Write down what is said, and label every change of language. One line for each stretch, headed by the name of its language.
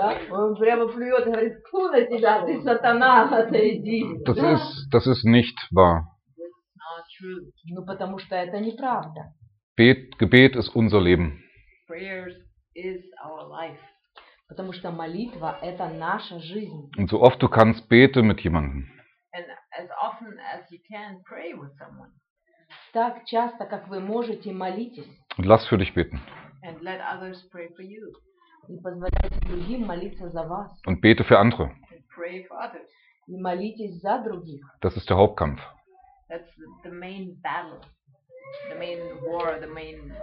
Russian: Он прямо плюет, говорит, фу на тебя, ты сатана, отойди.
German: Das ist nicht wahr.
Russian: Ну потому что это неправда.
German: Gebet ist unser Leben.
English: Prayers is our life.
Russian: Потому что молитва это наша жизнь.
German: Und so oft du kannst, bete mit jemandem.
English: And as often as you can pray with someone.
Russian: Так часто, как вы можете, молитесь.
German: Und lass für dich beten.
English: And let others pray for you.
Russian: И позволяйте другим молиться за вас.
German: Und bete für andere.
English: And pray for others.
Russian: И молитесь за других.
German: Das ist der Hauptkampf.
English: That's the main battle. The main war, the main...